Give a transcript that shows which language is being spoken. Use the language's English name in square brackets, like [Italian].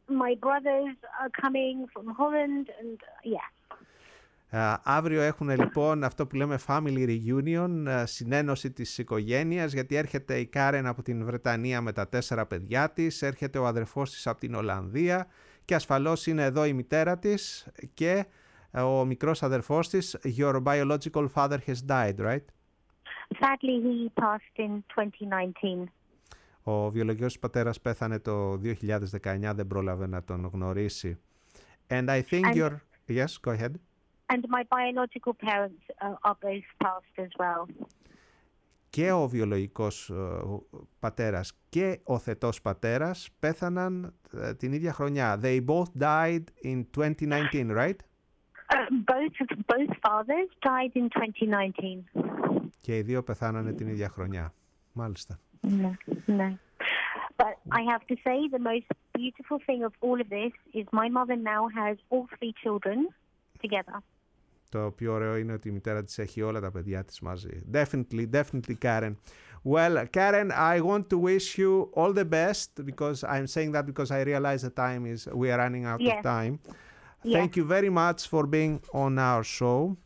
[English] My brothers are coming from Holland, and yeah. [Greek] Αύριο έχουν λοιπόν αυτό που λέμε [English] family reunion, [Greek] συνένωση της οικογένειας, γιατί έρχεται η Κάρεν από την Βρετανία με τα 4 παιδιά της, έρχεται ο αδερφός της από την Ολλανδία και ασφαλώς είναι εδώ η μητέρα της και ο μικρός αδερφός της. [English] Your biological father has died, right? Sadly, he passed in 2019. [Greek] Ο βιολογικός πατέρας πέθανε το 2019, δεν πρόλαβε να τον γνωρίσει. [English] And I think your... Yes, go ahead. And my biological parents are both passed as well. [Greek] Και ο βιολογικός πατέρας και ο θετός πατέρας πέθαναν την ίδια χρονιά. [English] They both died in 2019, right? Both fathers died in 2019. [Greek] Και οι δύο πεθάνανε την ίδια χρονιά. Μάλιστα. [English] No. But I have to say the most beautiful thing of all of this is my mother now has all three children together. [Greek] Το πιο ωραίο είναι ότι η μητέρα της έχει όλα τα παιδιά της μαζί. [English] Definitely, definitely, Karen. Well, Karen, I want to wish you all the best, because I'm saying that because I realize the time is, we are running out of time. Yes. Thank you very much for being on our show.